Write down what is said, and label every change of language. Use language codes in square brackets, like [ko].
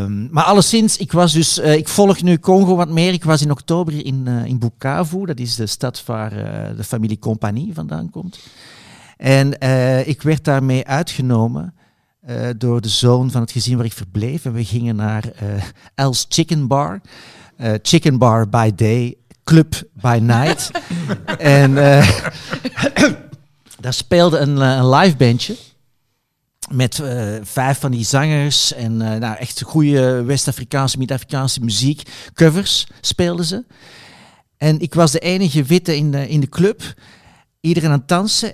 [nl] Maar alleszins, ik volg nu Congo wat meer. Ik was in oktober in Bukavu, dat is de stad waar de familie Compagnie vandaan komt. En ik werd daarmee uitgenomen door de zoon van het gezin waar ik verbleef. En we gingen naar Els Chicken Bar. [en] Chicken Bar by day, club by night. [nl] En daar speelde een live bandje. Met 5 van die zangers en echt goede West-Afrikaanse, Mid-Afrikaanse muziek. Covers speelden ze. En ik was de enige witte in de club. Iedereen aan het dansen.